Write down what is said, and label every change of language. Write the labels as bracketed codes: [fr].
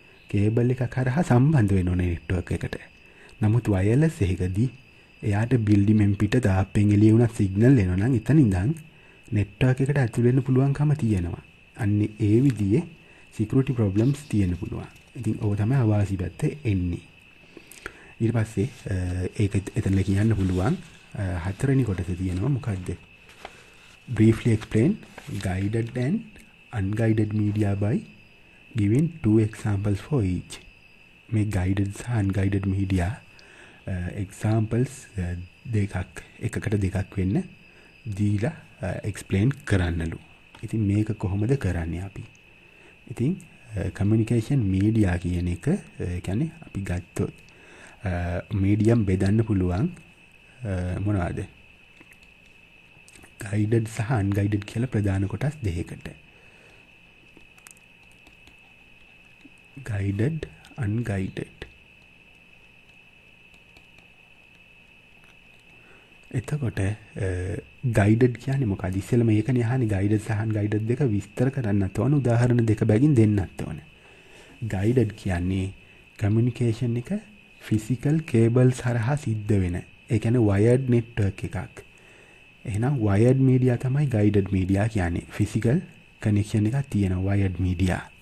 [si] Cable එක කරහා සම්බන්ධ වෙන ඕනේ network එකට. නමුත් wireless එකදී එයාට building එකෙන් පිට දාපෙන් එළිය උනා signal එනවා නම් එතන ඉඳන් network එකට ඇතුළු වෙන්න පුළුවන්කම තියෙනවා. අන්න ඒ විදිහේ security problems තියෙන්න පුළුවන්. ඉතින් ඔව තමයි අවාසි පැත්ත එන්නේ. ඊට පස්සේ ඒක එතන කියන්න පුළුවන් හතරවෙනි කොටස තියෙනවා. මොකද්ද? [en] briefly explain guided and unguided media by giving two examples for each. [si] මේ guided සහ unguided media examples දෙකක් එකකට දෙකක් වෙන්න දීලා explain කරන්නලු. ඉතින් මේක කොහොමද කරන්නේ අපි? ඉතින් communication media කියන එක [ar] يعني [si] අපි ගත්තොත් medium බෙදන්න පුළුවන් මොනවාද? guided සහ unguided කියලා ප්‍රධාන කොටස් දෙකකට. guided unguided. එතකොට guided කියන්නේ මොකද? ඉස්සෙල්ලා මේකනේ අහන්නේ guided සහ unguided දෙක විස්තර කරන්නත් ඕන උදාහරණ දෙක බැගින් දෙන්නත් ඕන. guided කියන්නේ communication එක physical cables හරහා සිද්ධ වෙන. ඒ කියන්නේ wired network එකක්. එහෙනම් wired media තමයි guided media කියන්නේ. physical connection එකක් තියෙන wired media.